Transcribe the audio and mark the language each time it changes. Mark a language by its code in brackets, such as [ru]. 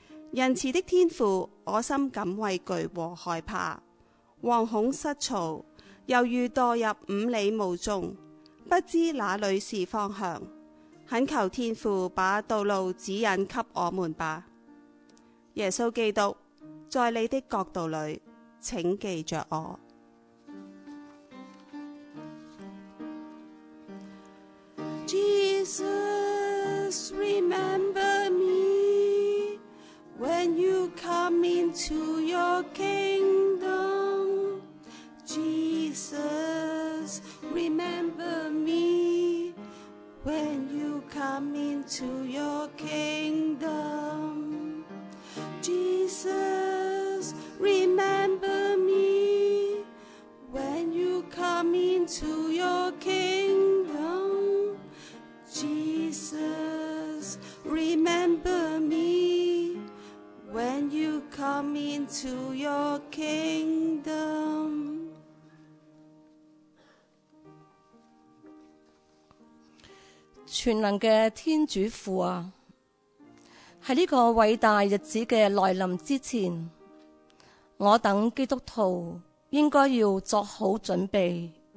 [zh] 仁慈的天父，我心感畏惧和害怕，惶恐失措，犹如堕入五里雾中，不知哪里是方向。恳求天父把道路指引给我们吧。耶稣基督，在你的国度里，请记着我。 [en] Jesus, remember me when you come into your kingdom. Jesus, remember me when you come into your kingdom. Jesus, remember me when you come into your kingdom. Jesus, remember me when you come into your kingdom. [zh] 全能的天主父啊，在这个伟大日子的来临之前，我等基督徒应该要作好准备。